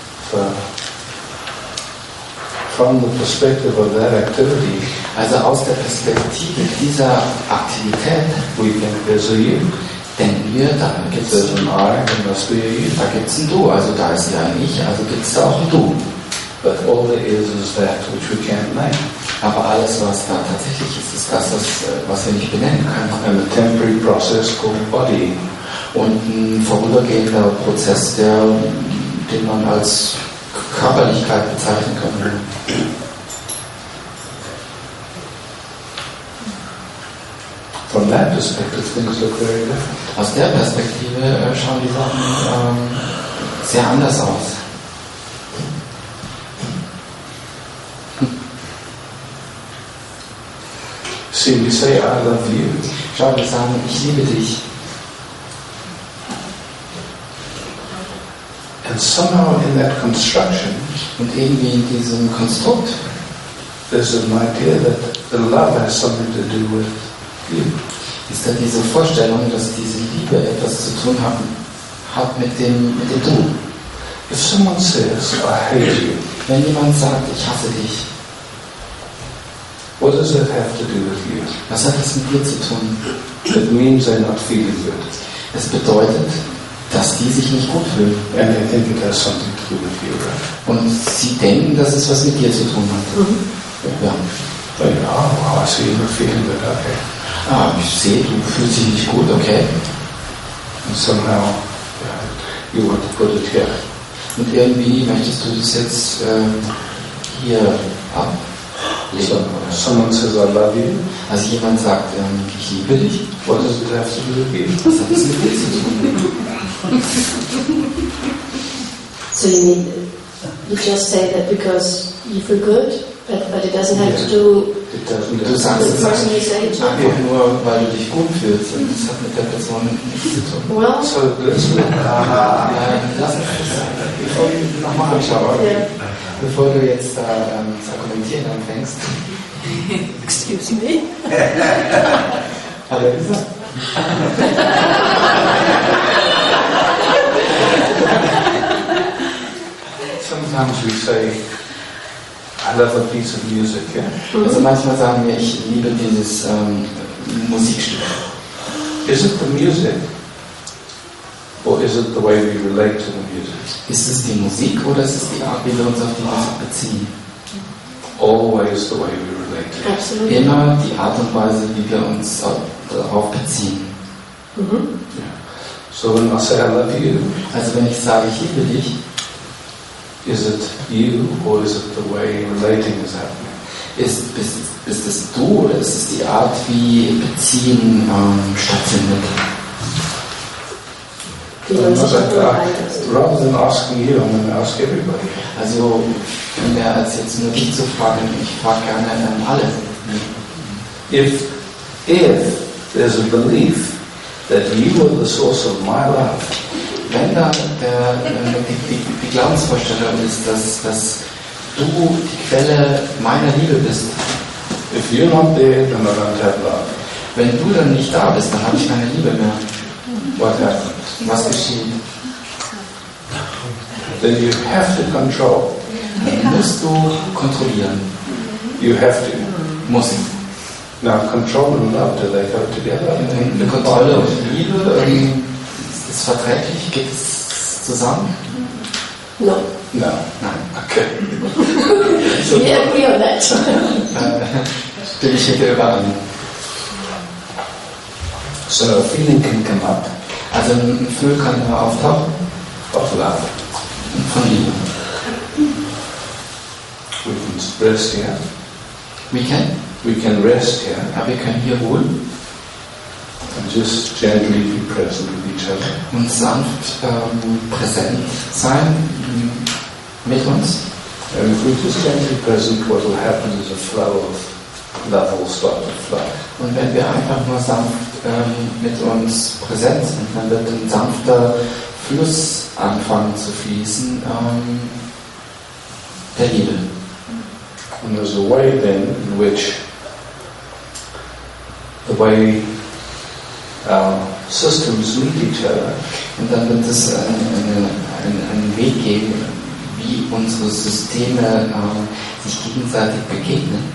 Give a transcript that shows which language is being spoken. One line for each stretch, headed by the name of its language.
English: So, from the perspective of that activity,
German: also aus der Perspektive dieser Aktivität,
English: we think there's a you.
German: Denken wir, da gibt es ein
English: I,
German: dann
English: must be a you.
German: Da gibt es ein Du, also da ist ja ein Ich, also gibt es da auch ein Du.
English: But all there is that which we can't name.
German: Aber alles, was da tatsächlich ist, ist das, was wir nicht benennen können.
English: And a temporary process called body.
German: Und ein vorübergehender Prozess, den man als Körperlichkeit bezeichnen kann.
English: From that perspective, things look very different.
German: Aus der Perspektive schauen die Sachen sehr anders aus.
English: See, we say I love you.
German: Schau, wir sagen, ich liebe dich.
English: And somehow in that construction,
German: und irgendwie in diesem Konstrukt,
English: there's an idea that the love has something to do with you.
German: Ist da diese Vorstellung, dass diese Liebe etwas zu tun hat mit dem Du?
English: If someone says I hate you,
German: wenn jemand sagt, ich hasse dich.
English: What does it have to do with you?
German: Was hat das mit dir zu tun?
English: It means they're not feeling good.
German: Es bedeutet, dass die sich nicht gut fühlen.
English: And they think it has something to do with you, right?
German: Und sie denken, dass es was mit dir zu tun hat.
English: Mm-hmm. Ja. Oh, I see you're feeling good, okay.
German: Ich sehe, du fühlst dich nicht gut, okay.
English: And somehow you want to put it here.
German: Und irgendwie möchtest du das jetzt hier ablegen.
English: Someone says I love you.
German: Also jemand sagt, ich liebe dich.
English: What does it have to do with you?
German: Was hat das mit dir zu tun?
English: So you mean you just say that because you feel good, but it doesn't have to do.
German: Du sagst es einfach nur, weil du dich gut fühlst. Und das hat mit der Person nichts zu tun.
English: Well, so,
German: lass uns das nochmal anschauen. Yeah. Bevor du jetzt da zu argumentieren anfängst.
English: Excuse me?
German: Hallo, Lisa.
English: Sometimes we say, I love a piece of music, yeah? Mm-hmm.
German: Also manchmal sagen wir, ich liebe dieses Musikstück.
English: Is it the music? Or is it the way we relate to the music?
German: Ist es die Musik oder ist es die Art, wie wir uns auf die Musik beziehen?
English: Always the way we relate to it.
German: Immer die Art und Weise, wie wir uns darauf beziehen. Mm-hmm.
English: Yeah. So when I say I love you.
German: Also wenn ich sage, ich liebe dich.
English: Is it you or is it the way relating is happening?
German: Ist es du oder ist es die Art, wie Beziehen stattfindet?
English: Rather than asking you, I'm going to ask everybody.
German: Also mehr als jetzt nur dich zu fragen, ich frage gerne an alle.
English: If there's a belief that you are the source of my love.
German: Wenn da die Glaubensvorstellung ist, dass du die Quelle meiner Liebe bist.
English: If you're not there, then I don't have love.
German: Wenn du dann nicht da bist, dann habe ich keine Liebe mehr.
English: What happened?
German: Was geschieht?
English: Then you have to control.
German: Dann musst du kontrollieren.
English: You have to.
German: Muss ich.
English: Now control and love, do they go together?
German: Eine Kontrolle und Liebe. Ist es verträglich? Geht es zusammen?
English: No. No.
German: Nein.
English: Okay.
German: Wir
English: agree on that.
German: Stimme ich hier über an.
English: So, a feeling can come up.
German: Also ein Gefühl kann immer auftauchen.
English: Of love.
German: Von Liebe.
English: We can rest here. We can rest here.
German: Ja, wir können hier ruhen.
English: And just gently be present with each other.
German: Und sanft präsent sein mit uns.
English: And if we're just gently present, what will happen is a flow of love will start to flow.
German: Und wenn wir einfach nur sanft mit uns präsent sind, dann wird ein sanfter Fluss anfangen zu fließen der Liebe.
English: And there's a way then in which the way systems meet each other.
German: Und dann wird es einen Weg geben, wie unsere Systeme sich gegenseitig begegnen.